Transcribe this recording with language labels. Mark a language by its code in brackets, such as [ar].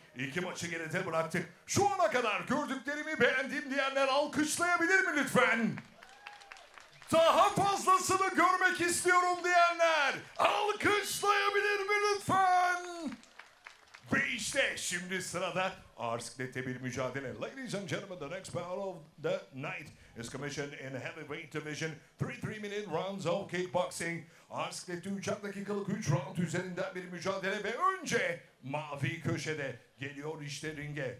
[tr] İki maçı geride bıraktık. Şu ana kadar gördüklerimi beğendim diyenler alkışlayabilir mi lütfen? Daha fazlasını görmek istiyorum diyenler alkışlayabilir mi lütfen? Ve işte şimdi sırada Arsiklet'te bir mücadele. [en] Ladies and gentlemen, the next battle of the night is commissioned in heavyweight division. 3 3-minute rounds of kickboxing. [tr] Arsiklet'te 3'er dakikalık 3 round üzerinden bir mücadele. Ve önce mavi köşede geliyor işte ringe.